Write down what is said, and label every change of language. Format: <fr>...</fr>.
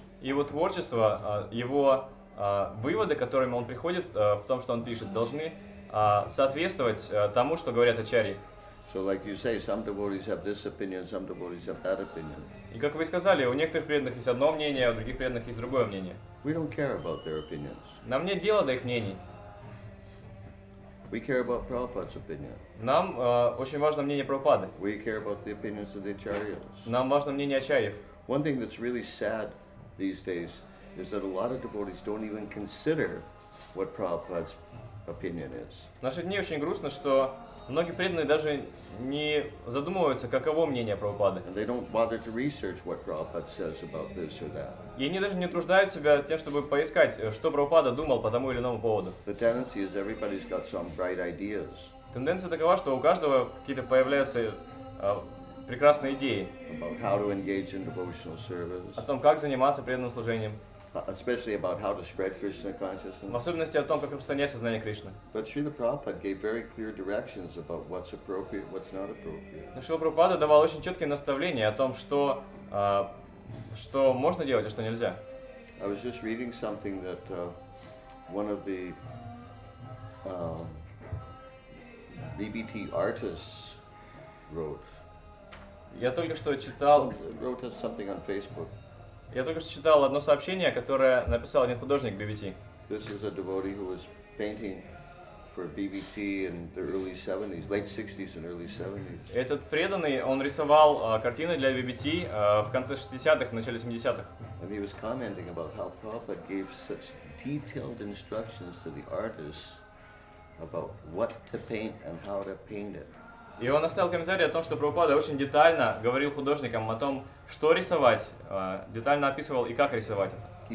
<ru>Его творчество, его выводы, которыми он приходит в том, что он пишет, должны соответствовать тому, что говорят ачарьи.</ru> <en>So like you say, some devotees have this opinion, some devotees have that opinion.</en> <ru>И как вы сказали, у некоторых преданных есть одно мнение, у других преданных есть другое мнение.</ru> <en>We don't care about their opinions.</en> <ru>Нам нет дела до их мнений.</ru> <en>We care about Prabhupada's opinion.</en> <ru>Нам очень важно мнение Прабхупады.</ru> <en>We care about the opinions of the acharyas.</en> <ru>Нам важно мнение ачарьев.</ru> <en>One thing that's really sad these days is that a lot of devotees don't even consider what Prabhupada's opinion is.</en> <ru>В наши дни очень грустно, что многие преданные даже не задумываются, каково мнение Прабхупады.</ru> <en>And they don't bother to research what Prabhupada says about this or that.</en> <ru>И они даже не утруждают себя тем, чтобы поискать, что Прабхупада думал по тому или иному поводу.</ru> <en>The tendency is everybody's got some bright ideas.</en> <ru>Тенденция такова, что у каждого какие-то появляются прекрасные идеи.</ru> <en>About how to engage in devotional service.</en> <ru>О том, как заниматься преданным служением.</ru> <en>Especially about how to spread Krishna consciousness.</en> <ru>В особенности о том, как распространять сознание Кришны.</ru> <en>But Srila Prabhupada gave very clear directions about what's appropriate, what's not appropriate.</en> <ru>Srila Prabhupada давал очень четкие наставления о том, что что можно делать, а что нельзя.</ru> <en>I was just reading something that one of the DBT artists wrote.</en> <ru>Я только что читал.</ru> <en>Wrote something on Facebook.</en> <ru>Я только что читал одно сообщение, которое написал один художник BBT.</ru> <en>This is a devotee who was painting for BBT in the early 70s, late 60s and early 70s.</en> <ru>Этот преданный, он рисовал картины для BBT в конце 60-х, начале 70-х.</ru> <en>And he was commenting about how Prabhupada gave such detailed instructions to the artists about what to paint and how to paint it.</en> <ru>И он оставил комментарий о том, что Прабхупада очень детально говорил художникам о том, что рисовать, детально описывал и как рисовать это.</ru>